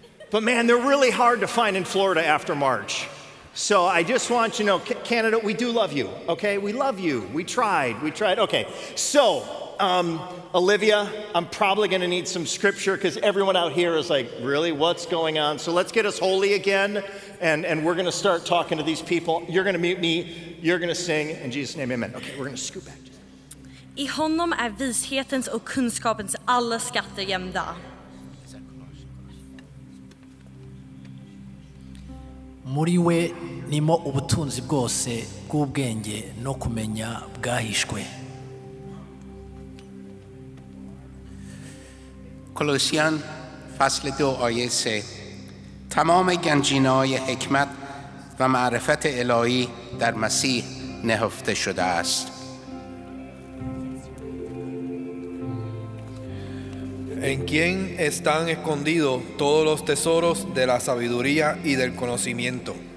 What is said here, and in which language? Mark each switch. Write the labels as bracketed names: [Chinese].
[English] But man, they're really hard to find in Florida after March. So I just want you to know, Canada, we do love you, okay? We love you. We tried. Okay, so Olivia, I'm probably going to need some scripture because everyone out here is like, really, what's going on? So let's get us holy again, and we're going to start talking to these people. You're going to mute me. You're going to sing. In Jesus' name, amen. Okay, we're going to scoot back. [Swedish] I honom är vishetens och kunskapens alla skatter gömda. [Kinyarwanda] Muri we nimo ubutunzi bwose bw'ubwenge no kumenya bwahishwe. [Persian] Colossian فصل 2 آیه 3 تمام گنجینه‌های حکمت و معرفت الهی در مسیح نهفته شده است. [Spanish] En quien están escondidos todos los tesoros de la sabiduría y del conocimiento.